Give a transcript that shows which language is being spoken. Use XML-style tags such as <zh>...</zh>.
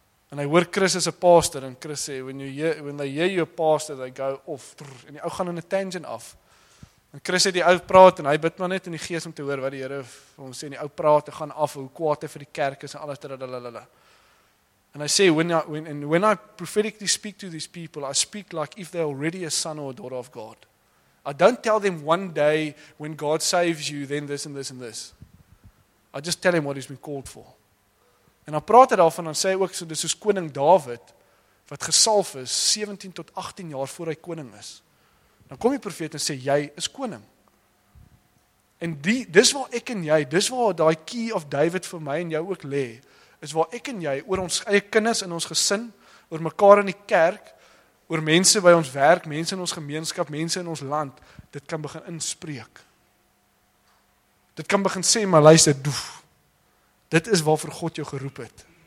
<af>En hy hoor Chris is 'n pastor, en Chris sê,</af> <en>when they hear you a pastor, they go off,</en> <af>en die ou gaan in 'n tangent af. En Chris het die ou praat, en hy bid maar net in die gees om te hoor wat die Here vir hom sê, en die ou praat, en gaan af, hoe kwaad hy vir die kerk is, en alles, dadalala. En hy sê,</af> <en>when I prophetically speak to these people, I speak like if they're already a son or a daughter of God. I don't tell them one day, when God saves you, then this and this and this. I just tell him what he's been called for.</en> <af>En dan praat hy daarvan, dan sê hy ook, so, dis soos koning David, wat gesalf is, 17 tot 18 jaar voor hy koning is. Dan kom die profeet en sê, jy is koning. En dis waar ek en jy, dis waar die key of David vir my en jou ook lê, is waar ek en jy, oor ons eie kinders in ons gesin, oor mekaar in die kerk, oor mense by ons werk, mense in ons gemeenskap, mense in ons land, dit kan begin inspreek. Dit kan begin sê, maar luister, doef. Dit is waarvoor God jou geroep het.</af>